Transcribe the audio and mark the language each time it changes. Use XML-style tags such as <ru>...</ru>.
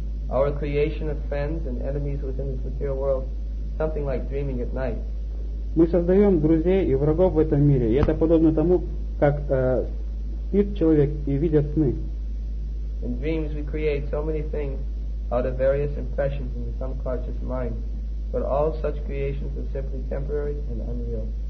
<en>Our creation of friends and enemies within this material world is something like dreaming at night.</en> <ru>Мы создаем друзей и врагов в этом мире, и это подобно тому, как спит человек и видит сны.</ru> <en>In dreams we create so many things out of various impressions in the subconscious mind, but all such creations are simply temporary and unreal.</en>